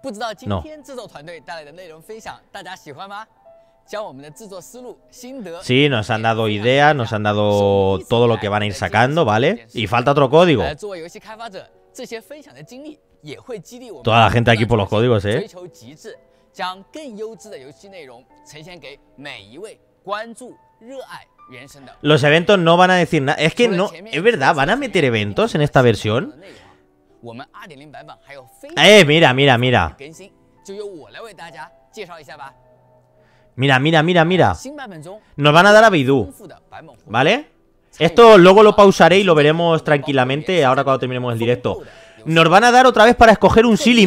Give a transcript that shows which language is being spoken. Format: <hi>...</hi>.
<zh>No. 不知道今天制作团队带来的内容分享，大家喜欢吗？将我们的制作思路、心得。</zh> <es>Sí, nos han dado ideas, nos han dado todo lo que van a ir sacando, ¿vale? Y falta otro código.</es> <zh>作为游戏开发者，这些分享的经历也会激励我们。</zh> <es>Toda la gente aquí por los códigos, ¿eh?</es> <zh>追求极致，将更优质的游戏内容呈现给每一位关注、热爱原神的。</zh> <es>Los eventos no van a decir nada. Es que no, es verdad, van a meter eventos en esta versión.</es> <zh>我们2.0版本还有非常多的更新，就由我来为大家介绍一下吧。</zh> <es>Mira, mira, mira, mira.</es> <zh>新版本中</zh> <es>，nos van a dar a Beidou. ¿Vale? Esto luego lo pausaré y lo veremos tranquilamente ahora cuando terminemos el directo. Nos van a dar otra vez para escoger un Silly.</es>